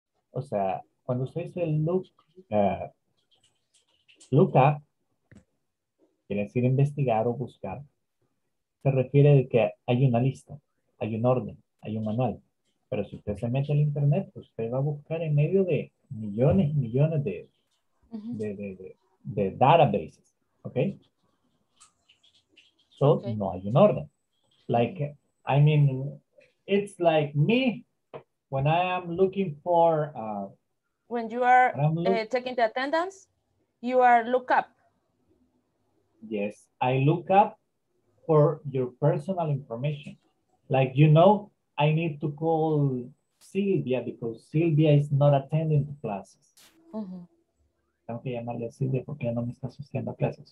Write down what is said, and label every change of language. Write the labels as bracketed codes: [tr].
[es] O sea, cuando usted dice look up, quiere decir investigar o buscar, se refiere de que hay una lista, hay un orden, hay un manual. Pero si usted se mete al internet, usted va a buscar en medio de millones y millones de, de databases. Okay? So, okay. No hay un orden. [en] Like, I mean, it's like me when I am looking for... when you are taking the attendance, you are look up. Yes, I look up for your personal information. Like, you know, I need to call Silvia because Silvia is not attending the classes. Mm-hmm. [es] Tengo que llamarle a Silvia porque ella no me está asistiendo a clases.